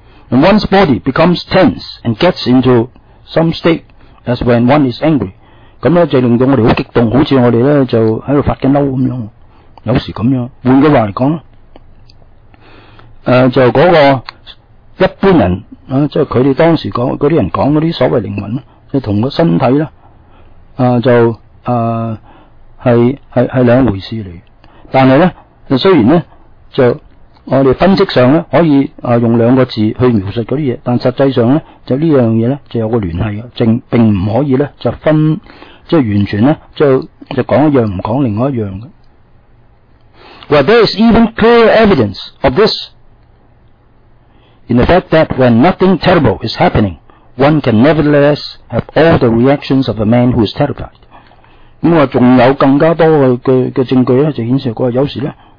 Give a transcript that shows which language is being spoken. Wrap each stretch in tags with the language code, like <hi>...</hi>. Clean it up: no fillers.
<en>And one's body becomes tense and gets into some state as when one is angry.</en> <yue>咁咧就令到我哋好激动，好似我哋咧就喺度发紧嬲咁样。有时咁样，换句话嚟讲，就嗰个一般人啊，即系佢哋当时讲嗰啲人讲嗰啲所谓灵魂，即系同个身体咧，系两回事嚟。但系咧，虽然咧就。我哋分析上咧可以用两个字去描述嗰啲嘢，但实际上咧就呢样嘢咧就有个联系嘅，并唔可以咧就分即系完全咧就讲一样唔讲另外一样嘅。</yue> <en>Well, there is even clear evidence of this in the fact that when nothing terrible is happening, one can nevertheless have all the reactions of a man who is terrified。</en> <yue>咁话仲有更加多嘅证据咧，就显示过有时咧。</yue>